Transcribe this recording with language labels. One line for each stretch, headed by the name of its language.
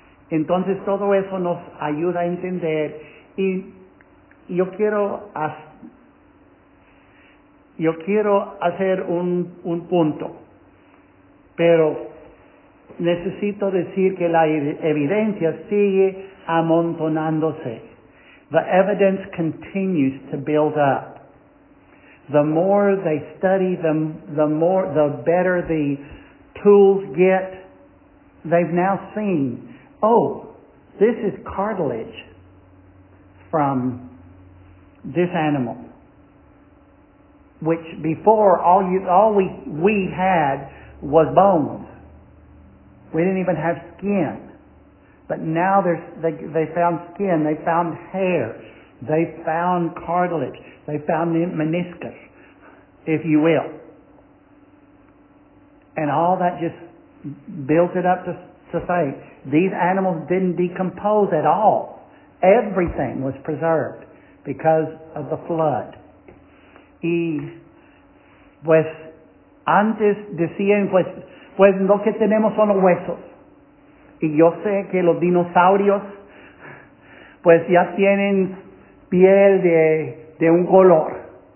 Spanish: Entonces todo eso nos ayuda a entender y yo quiero hacer un punto, pero necesito decir que la evidencia sigue amontonándose.
English: The evidence continues to build up. The more they study, the better the tools get. They've now seen, oh, this is cartilage from this animal, which before all we had was bones. We didn't even have skin. But now they found skin, they found hair, they found cartilage, they found meniscus, if you will. And all that just built it up to say, these animals didn't decompose at all. Everything was preserved because of the flood.
Spanish: Y pues antes decían, pues lo que tenemos son los huesos. Y yo sé que los dinosaurios, pues ya tienen piel de un color.